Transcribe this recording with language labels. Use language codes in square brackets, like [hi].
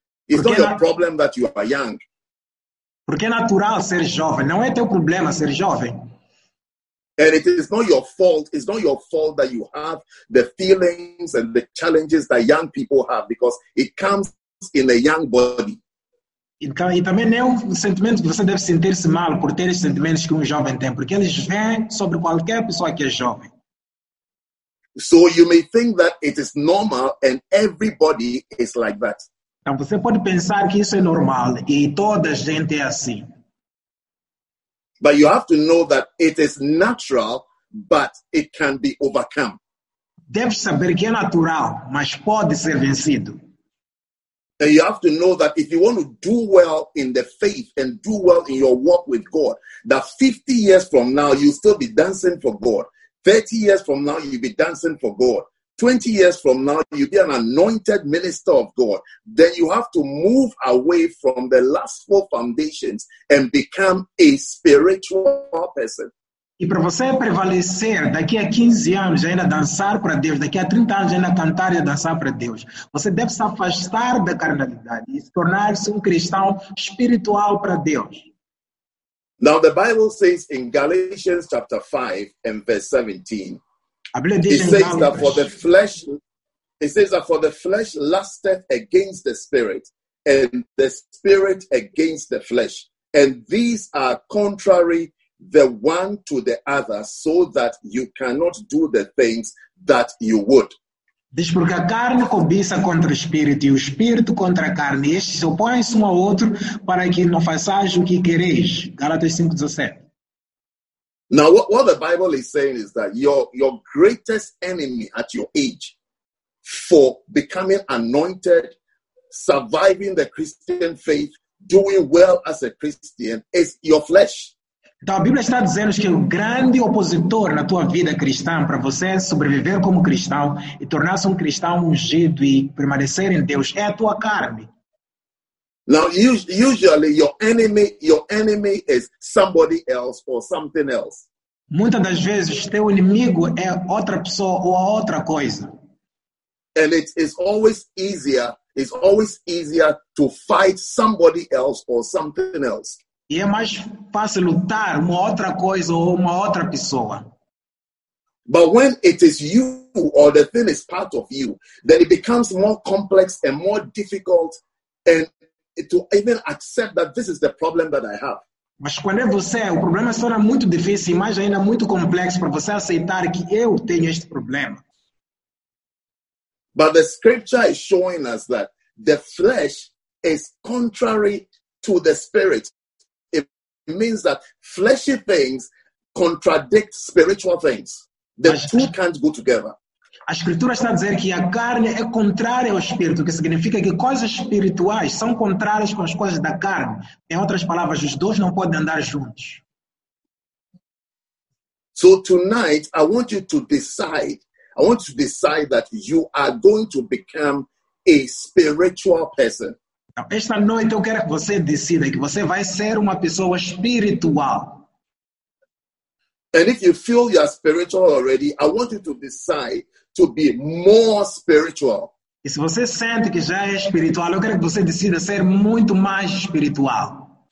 [en] It's not your problem that you are young. [pt] Porque é natural ser jovem. Não é teu problema ser jovem. [en] And it is not your fault. It's not your fault that you have the feelings and the challenges that young people have, because it comes in a young body. [pt] Então, e também não é um sentimento que você deve sentir-se mal por ter os sentimentos que um jovem tem, porque eles vêm sobre qualquer pessoa que é jovem. [en] So you may think that it is normal and everybody is like that. [pt] Então você pode pensar que isso é normal e toda gente é assim. [en] But you have to know that it is natural, but it can be overcome. [pt] Deve saber que é natural, mas pode ser vencido. [en] And you have to know that if you want to do well in the faith and do well in your walk with God, that 50 years from now, you'll still be dancing for God. 30 years from now, you'll be dancing for God. 20 years from now, you'll be an anointed minister of God. Then you have to move away from the lustful foundations and become a spiritual person. [pt] E para você prevalecer daqui a 15 anos ainda dançar para Deus, daqui a 30 anos ainda cantar e dançar para Deus, você deve se afastar da carnalidade e se tornar-se um cristão espiritual para Deus. [en] Now the Bible says in Galatians chapter 5 and verse 17. [pt] A Bíblia diz em Gálatas. [en] It says that for the flesh lusteth against the spirit, and the spirit against the flesh, and these are contrary the one to the other, so that you cannot do the things that you would. [pt] Diz porque a carne cobiça contra o espírito e o espírito contra a carne, e estes opõem-se um ao outro para que não façais o que quereis. Gálatas 5:17. [en] Now, what the Bible is saying is that your greatest enemy at your age for becoming anointed, surviving the Christian faith, doing well as a Christian, is your flesh. [pt] Então a Bíblia está dizendo que o grande opositor na tua vida cristã para você sobreviver como cristão e tornar-se um cristão ungido e permanecer em Deus é a tua carne. [en] Now, usually your enemy is somebody else or something else. [pt] Muitas das vezes teu inimigo é outra pessoa ou outra coisa. [en] And it's always easier to fight somebody else or something else. [pt] E é mais fácil lutar uma outra coisa ou uma outra pessoa. [en] But when it is you or the thing is part of you, then it becomes more complex and more difficult and to even accept that this is the problem that I have. [pt] Mas quando é você, o problema se torna muito difícil e mais ainda muito complexo para você aceitar que eu tenho este problema. [en] But the scripture is showing us that the flesh is contrary to the spirit. It means that fleshy things contradict spiritual things. The two can't go together. [pt] A escritura está a dizer que a carne é contrária ao espírito, o que significa que coisas espirituais são contrárias com as coisas da carne. Em outras palavras, os dois não podem andar juntos. [en] So tonight, I want you to decide. I want you to decide that you are going to become a spiritual person. [pt] Esta noite eu quero que você decida que você vai ser uma pessoa espiritual. [en] And if you feel you are spiritual already, I want you to decide to be more spiritual. [pt] E se você sente que já é espiritual, eu quero que você decida ser muito mais espiritual.